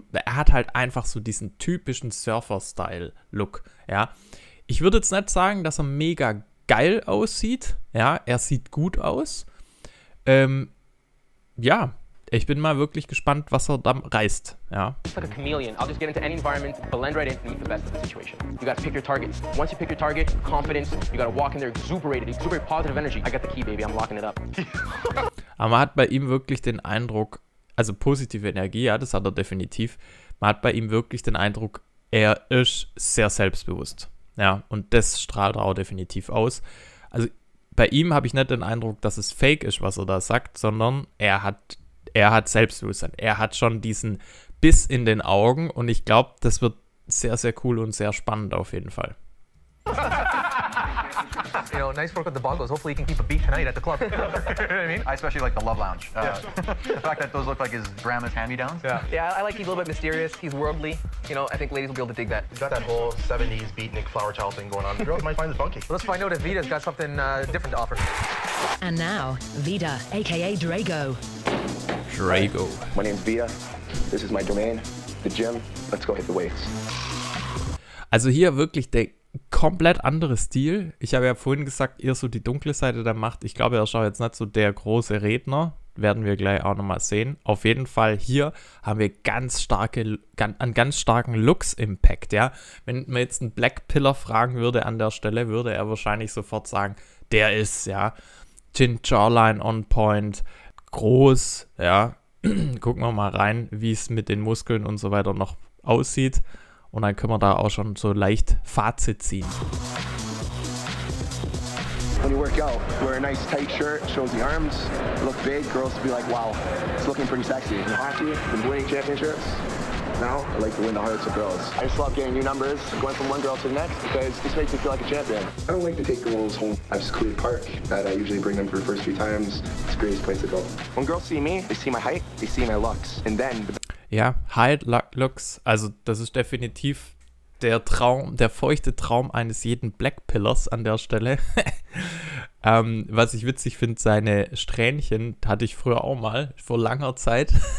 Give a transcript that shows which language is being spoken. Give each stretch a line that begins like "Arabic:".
German: Er hat halt einfach so diesen typischen Surfer-Style-Look, ja. Ich würde jetzt nicht sagen, dass er mega geil aussieht. Ja, er sieht gut aus. Ja, ich bin mal wirklich gespannt, was er da reißt.
English: Ja. It's like a chameleon. I'll just get into any environment, blend right in and meet the best of the situation. You gotta pick your target. Once you pick your target, confidence, you gotta walk in there exuberated, exuberate positive energy. I got the key, baby, I'm locking it up.
German: Aber man hat bei ihm wirklich den Eindruck, also positive Energie, ja, das hat er definitiv. Man hat bei ihm wirklich den Eindruck, er ist sehr selbstbewusst. Ja, und das strahlt er auch definitiv aus. Also bei ihm habe ich nicht den Eindruck, dass es fake ist, was er da sagt, sondern er hat Selbstbewusstsein. Er hat schon diesen Biss in den Augen und ich glaube, das wird sehr, sehr cool und sehr spannend auf jeden Fall.
English: You know, nice work with the Boggles. Hopefully you can keep a beat tonight at the club. You know what I mean? I especially like the Love Lounge. Yeah. The fact that those look like his grandma's hand-me-downs. Yeah. Yeah, I like he's a little bit mysterious. He's worldly. You know, I think ladies will be able to dig that. He's got that whole 70s beatnik flower child thing going on. The girls might find this funky. Well, let's find out if Vida's got something different to offer. And now, Vida, a.k.a. Drago. Drago. My name's Vida. This is my domain. The gym. Let's go hit the weights.
German: Also hier wirklich der komplett andere Stil. Ich habe ja vorhin gesagt, eher so die dunkle Seite der Macht. Ich glaube, er schaut jetzt nicht so der große Redner. Werden wir gleich auch nochmal sehen. Auf jeden Fall hier haben wir einen ganz starken Lux-Impact. Ja? Wenn man jetzt einen Blackpiller fragen würde an der Stelle, würde er wahrscheinlich sofort sagen, der ist, ja. Chin Jawline on point, groß, ja. Gucken wir mal rein, wie es mit den Muskeln und so weiter noch aussieht. Und dann können wir da auch schon so leicht Fazit ziehen.
English: When you work out, wear a nice tight shirt, shows the arms, look big, girls be like, wow, it's looking pretty sexy. In hockey, been winning championships. No, I like to win the hearts of girls. I just love getting new numbers, going from one girl to the next, because this makes me feel like a champion. I don't like to take girls home. I have Secluded Park that I usually bring them for the first few times. It's the greatest place to go. When girls see me, they see my height, they see my looks, and then...
German: Ja, Height, Looks, also das ist definitiv der Traum, der feuchte Traum eines jeden Blackpillers an der Stelle. was ich witzig finde, seine Strähnchen hatte ich früher auch mal, vor langer Zeit.